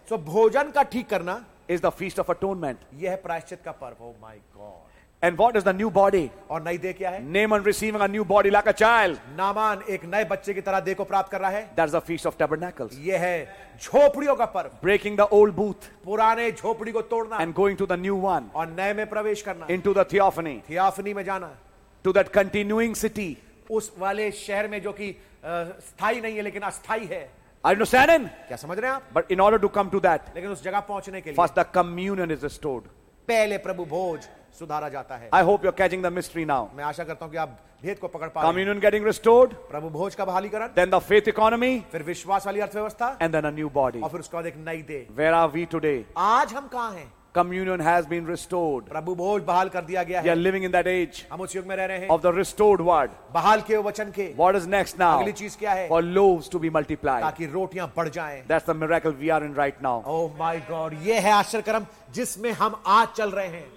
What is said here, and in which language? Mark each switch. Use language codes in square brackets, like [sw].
[en] So [hi] भोजन का ठीक करना. [en] Is the feast of atonement. [hi] ये है प्रायश्चित का पर्व. [en] Oh my God. And what is the new body? [hi] और नई देह क्या है? [en] Naaman receiving a new body like a child. [hi] Naaman एक नए बच्चे की तरह देह को प्राप्त कर रहा है. [en] That's the feast of tabernacles. [hi] ये है झोपड़ियों का पर्व. [en] Breaking the old booth. [hi] पुराने झोपड़ी को तोड़ना. [en] And going to the new one. [hi] और नए में प्रवेश करना. [en] Into the theophany. [hi] थियोफनी में जाना. [en] To that continuing city. [hi] उस वाले शहर में जो कि स्थाई नहीं है लेकिन अस्थाई है. [en] Are you understanding? [hi] क्या समझ रहे हैं आप? [en] But in order to come to that, [hi] लेकिन उस जगह पहुंचने के लिए, [en] first the communion is restored. [hi] पहले प्रभु भोज सुधारा जाता है. [en] I hope you're catching the mystery now. [hi] मैं आशा करता हूं कि आप भेद को पकड़ पाए. [en] Communion getting restored. [hi] प्रभु भोज का बहालीकरण. [en] Then the faith economy. [hi] फिर विश्वास वाली अर्थव्यवस्था. [en] And then a new body. [hi] और फिर उसके बाद एक नई देह. [en] Where are we today? [hi] आज हम कहां हैं? [en] Communion has been restored. [hi] प्रभु भोज बहाल कर दिया गया है. [en] We are living in that age. [hi] हम उस युग में रह रहे हैं. [en] Of the restored word. [hi] बहाल के वचन के. [en] What is next now? [hi] अगली चीज क्या है? [en] For loaves to be multiplied. [hi] ताकि रोटियां बढ़ जाएं. [en] That's the miracle we are in right now. Oh my God, [hi] ये है आश्चर्यकर्म जिसमें हम आज चल रहे हैं.